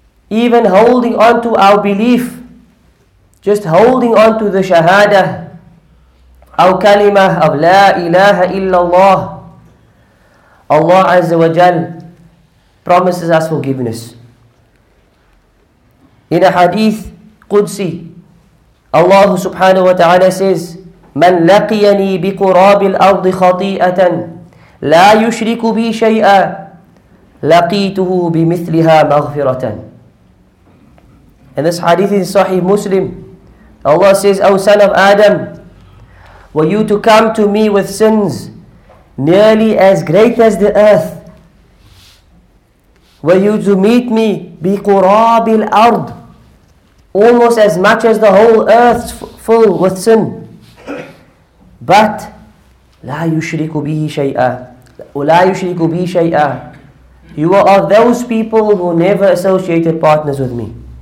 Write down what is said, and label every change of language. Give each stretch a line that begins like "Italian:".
English: Even holding on to our belief, just holding on to the shahada, our kalima of La ilaha illallah, Allah Azza wa Jal promises us forgiveness. In a hadith Qudsi, Allah subhanahu wa ta'ala says,
Arabic: من لقيني بقراب الأرض خطيئة لا يشرك بي شيئا لقيته بمثلها مغفرة.
English: And this hadith is Sahih Muslim. Allah says, O son of Adam, were you to come to me with sins nearly as great as the earth, were you to meet me
Arabic: بقراب الأرض,
English: almost as much as the whole earth full with sin, but
Arabic: لا يشرك بي شيئا,
English: you are of those people who never associated partners with me.